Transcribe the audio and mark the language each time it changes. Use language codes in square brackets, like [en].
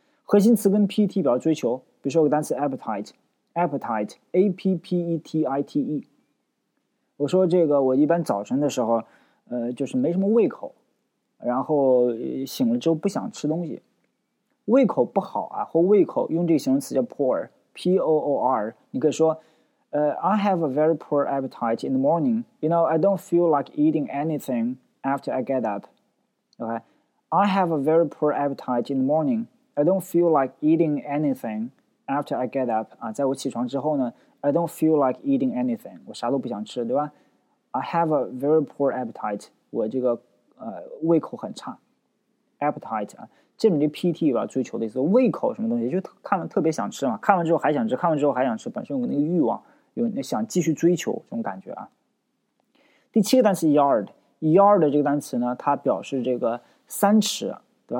[zh] 核心词根 pet 表追求，比如说有个单词 appetite，appetite。我说这个，我一般早晨的时候，就是没什么胃口，然后醒了之后不想吃东西，胃口不好啊，或胃口用这个形容词叫 poor，P-O-O-R。 [en] 你可以说，I have a very poor appetite in the morning. You know, I don't feel like eating anything after I get up. Okay, I have a very poor appetite in the morning. I don't feel like eating anything after I get up. [zh] 啊，在我起床之后呢？ [en] I don't feel like eating anything. [zh] 我啥都不想吃，对吧 [en] ？I have a very poor appetite. [zh] 我这个胃口很差。 Appetite 啊，这里面的 PT 吧，追求的意思，胃口什么东西，就看了特别想吃嘛，看完之后还想吃，看完之后还想吃，本身有那个欲望，有那想继续追求这种感觉啊。第七个单词 yard， yard 这个单词呢，它表示这个三尺对吧？